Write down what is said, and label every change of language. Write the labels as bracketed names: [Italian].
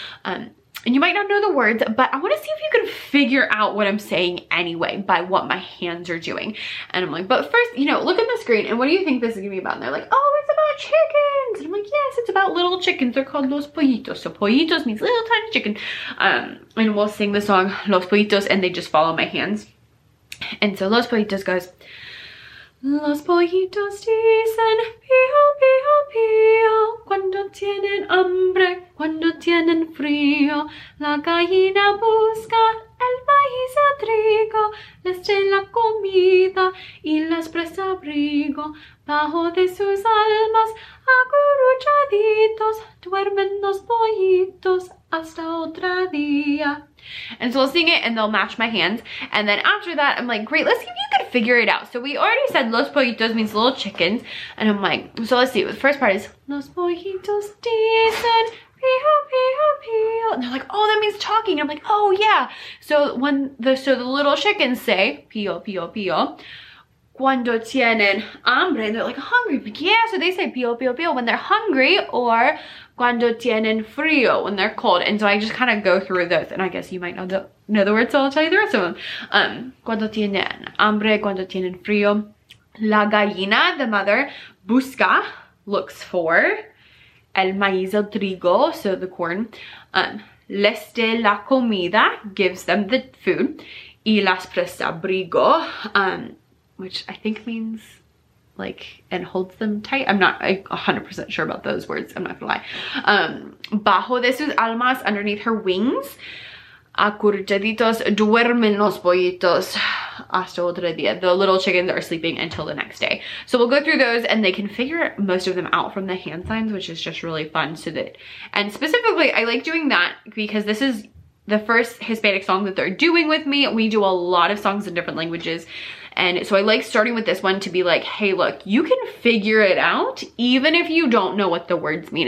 [English] And you might not know the words, but I want to see if you can figure out what I'm saying anyway by what my hands are doing. And I'm like, but first, you know, look at the screen. And what do you think this is going to be about? And they're like, oh, it's about chickens. And I'm like, yes, it's about little chickens. They're called los pollitos. So pollitos means little tiny chicken. And we'll sing the song Los Pollitos and they just follow my hands. And so Los Pollitos goes, [Spanish] los pollitos dicen pío, pío, pío, cuando tienen hambre, cuando tienen frío, la gallina busca el maíz a trigo, les de la comida y les presta abrigo, bajo de sus almas acurruchaditos, duermen los pollitos hasta otro día. [English] And so we'll sing it and they'll match my hands. And then after that, I'm like, great, let's see if you can figure it out. So we already said los pollitos means little chickens. And I'm like, so let's see. The first part is [Spanish] los pollitos dicen pío, pío, pío. [English] And they're like, oh, that means talking. And I'm like, oh, yeah. So when the little chickens say [Spanish] pío, pío, pío, cuando tienen hambre, [English] they're like hungry. But yeah, so they say [Spanish] pío, pío, pío [English] when they're hungry, or [Spanish] cuando tienen frío, [English] when they're cold. And so I just kind of go through those, and I guess you might know the words, so I'll tell you the rest of them. [Spanish] Cuando tienen hambre, cuando tienen frío, la gallina, [English] the mother, [Spanish] busca, [English] looks for, [Spanish] el maíz, el trigo, [English] so the corn, [Spanish] les de la comida, [English] gives them the food, [Spanish] y las presta abrigo, [English] which I think means like, and holds them tight. [Spanish] I'm not 100% sure about those words, I'm not gonna lie. Bajo de sus almas, [English] underneath her wings, [Spanish] acurruchaditos, duermen los pollitos hasta otro día. [English] The little chickens are sleeping until the next day. So we'll go through those and they can figure most of them out from the hand signs, which is just really fun. So that, and specifically, I like doing that because this is the first Hispanic song that they're doing with me. We do a lot of songs in different languages. And so I like starting with this one to be like, hey, look, you can figure it out even if you don't know what the words mean.